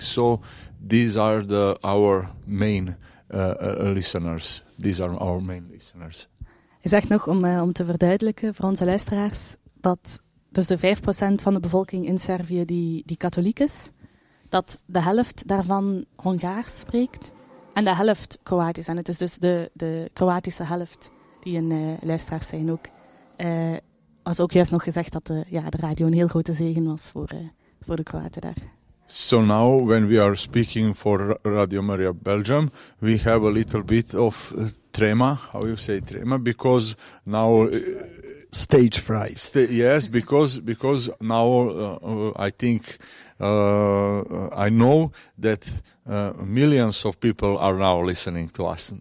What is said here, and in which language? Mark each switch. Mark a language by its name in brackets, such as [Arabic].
[English] So these are our main listeners. These are our main listeners. [Dutch] Je zegt nog om te verduidelijken voor onze luisteraars dat dus de 5% van de bevolking in Servië die katholiek is, dat de helft daarvan Hongaars spreekt en de helft Kroatisch. En het is dus de Kroatische helft die een luisteraars zijn ook. Was ook juist nog gezegd dat de radio een heel grote zegen was voor de Kroaten daar. [English] So now, when we are speaking for Radio Maria Belgium, we have a little bit of trema, how you say trema, because now... Stage fright. Yes, because now I think, I know that millions of people are now listening to us.